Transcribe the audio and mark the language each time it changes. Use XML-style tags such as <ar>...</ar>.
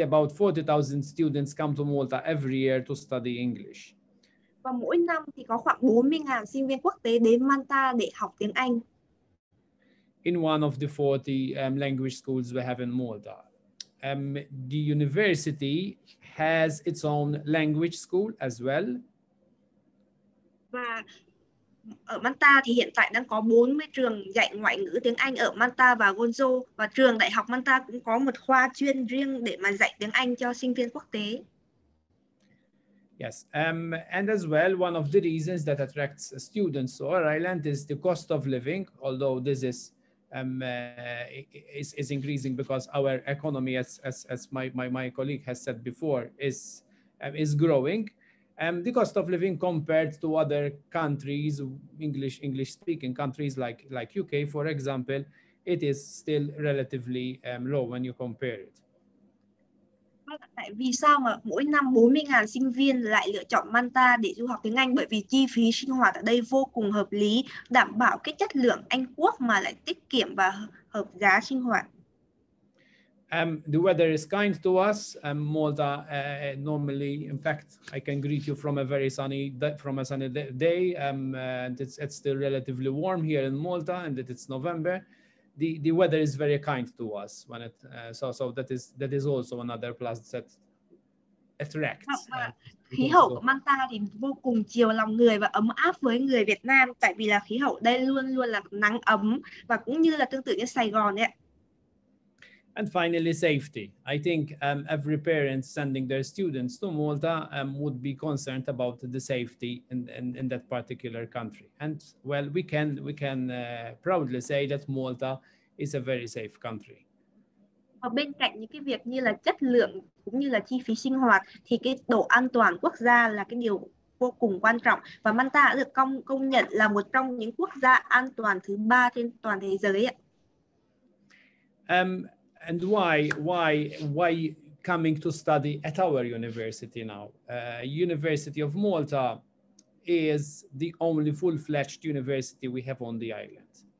<en>About 40,000 students come to Malta every year to study English.</en> <vi>Và mỗi năm thì có khoảng 40,000 sinh viên quốc tế đến Malta để học tiếng Anh.</vi> <en>In one of the 40 language schools we have in Malta, the university has its own language school as well.</en> <vi>Và ở Malta thì hiện tại đang có 40 trường dạy ngoại ngữ tiếng Anh ở Malta và Gonzo, và trường Đại học Malta cũng có một khoa chuyên riêng để mà dạy tiếng Anh cho sinh viên quốc tế.</vi> <en>Yes, and as well, one of the reasons that attracts students to our island is the cost of living, although this is increasing because our economy, as my colleague has said before, is growing. The cost of living compared to other countries, English speaking countries like UK, for example, it is still relatively low when you compare it.</en> <vi>Tại vì sao mà mỗi năm 40,000 sinh viên lại lựa chọn Malta để du học tiếng Anh? Bởi vì chi phí sinh hoạt ở đây vô cùng hợp lý, đảm bảo cái chất lượng Anh Quốc mà lại tiết kiệm và hợp giá sinh hoạt.</vi> <en>The weather is kind to us. Malta normally, in fact, I can greet you from a very sunny day. It's still relatively warm here in Malta, and it's November. The weather is very kind to us when it so that is also another plus that attracts.</en> <vi>Khí hậu của Malta thì vô cùng chiều lòng người và ấm áp với người Việt Nam, tại vì là khí hậu đây luôn luôn là nắng ấm và cũng như là tương tự như Sài Gòn ấy.</vi> <en>And finally, safety. I think every parent sending their students to Malta would be concerned about the safety in that particular country. And well, we can proudly say that Malta is a very safe country.</en> <vi>Và bên cạnh những cái việc như là chất lượng cũng như là chi phí sinh hoạt, thì cái độ an toàn quốc gia là cái điều vô cùng quan trọng. Và Malta đã được công nhận là một trong những quốc gia an toàn thứ ba trên toàn thế giới.</vi> <en>And why coming to study at our university now? University of Malta is the only full-fledged university we have on the island.</en>